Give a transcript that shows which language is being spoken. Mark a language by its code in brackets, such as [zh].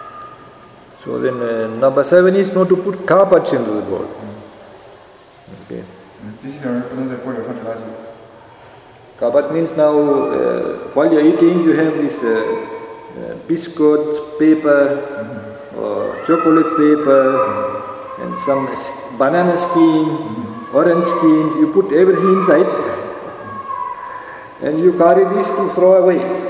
[en] So then number seven is not to put garbage into the bowl. Okay. [zh] 第七条不能在锅里放纸垃圾。 [en] Garbage means now while you're eating, you have this biscuit paper or chocolate paper and some banana skin, orange skin, you put everything inside and you carry this to throw away.